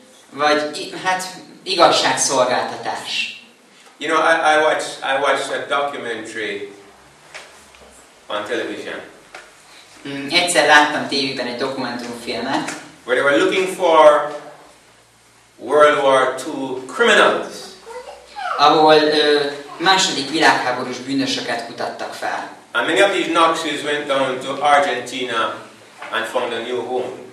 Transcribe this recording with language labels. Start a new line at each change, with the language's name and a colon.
Hungarian: Vagy hát igazságszolgáltatás.
English: You know, I watched a documentary on television.
Hungarian: Egyszer láttam tévében egy dokumentumfilmet.
English: Where they were looking for World War II criminals.
Hungarian: Ahol második világháborús bűnösöket kutattak fel.
English: And many of these Nazis went down to Argentina and found a new home.